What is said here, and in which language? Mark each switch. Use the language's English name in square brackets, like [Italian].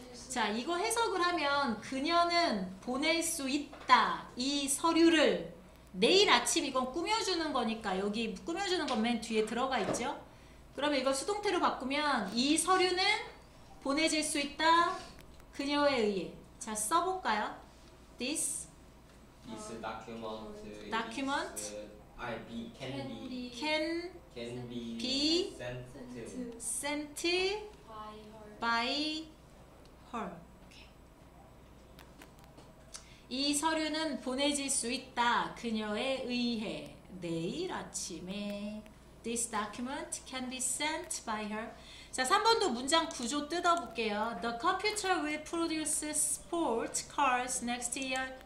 [Korean] 자, 이거 해석을 하면 그녀는 보낼 수 있다 이 서류를 내일 아침. 이건 꾸며주는 거니까 여기 꾸며주는 건 맨 뒤에 들어가 있죠. 그러면 이걸 수동태로 바꾸면 이 서류는 보내질 수 있다 그녀에 의해. 자, 써볼까요? This [English] this document is, can be sent by her. Okay. [Korean] 이 서류는 보내질 수 있다 그녀에 의해 내일 아침에. [English] This document can be sent by her. [Korean] 자, 3번도 문장 구조 뜯어볼게요. [English] The computer will produce sport cars next year.